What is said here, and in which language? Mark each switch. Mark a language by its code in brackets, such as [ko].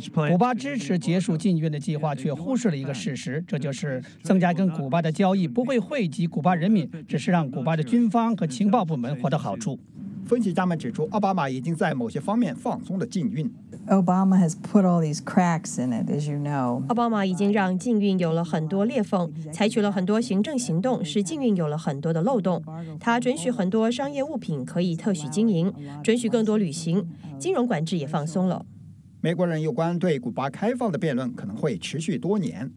[zh] 古巴支持结束禁运的计划，却忽视了一个事实，这就是增加跟古巴的交易不会惠及古巴人民，只是让古巴的军方和情报部门获得好处。分析家们指出，奥巴马已经在某些方面放松了禁运。 [en] Obama has put all these cracks in it, as you know. [zh] 奥巴马已经让禁运有了很多裂缝，采取了很多行政行动，使禁运有了很多的漏洞。他准许很多商业物品可以特许经营，准许更多旅行，金融管制也放松了。美国人有关对古巴开放的辩论可能会持续多年。